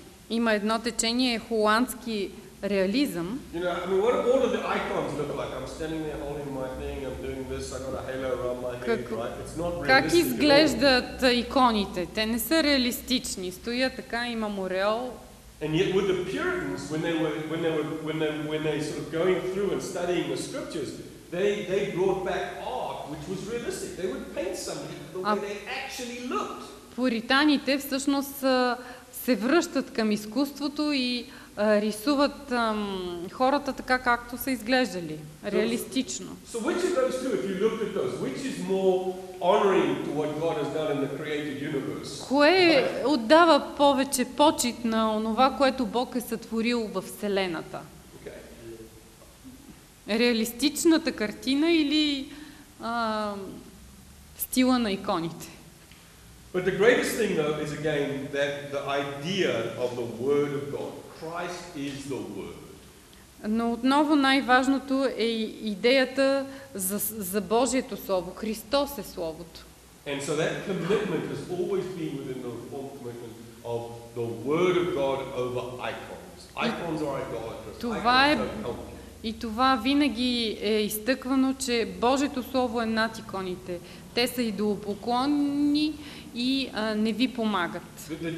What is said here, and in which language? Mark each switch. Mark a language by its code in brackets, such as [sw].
[bg] Има едно течение холандски реализъм. [en] You know, I mean, what all of the icons look like? I'm standing there holding my thing, I'm doing this, I got a halo around my head, right? It's not realistic. [bg] Как изглеждат иконите? Те не са реалистични. Стоя така, имам ореол. [en] And yet with the Puritans when they sort of going through and studying the scriptures, They brought back art which was realistic. They would paint somebody the way they actually looked. [bg] Пуританите всъщност се връщат към изкуството и рисуват хората така както са изглеждали, реалистично. [en] So which of those two, if you looked at those, which is more honoring to what God has done in the created universe? [bg] Кое отдава повече почит на онова, което Бог е сътворил във вселената? Реалистичната картина или стила на иконите. [en] But the greatest thing though is again that the idea of the word of God. Christ is the word. [bg] Но отново най-важното е идеята за Божието слово. Христос е словото. [en] And so that commitment has always been within the reformed commitment of the word of God over icons. Icons are idolatrous. [bg] Това е И това винаги е изтъквано, че Божието Слово е над иконите. Те са идолопоклонни и не ви помагат.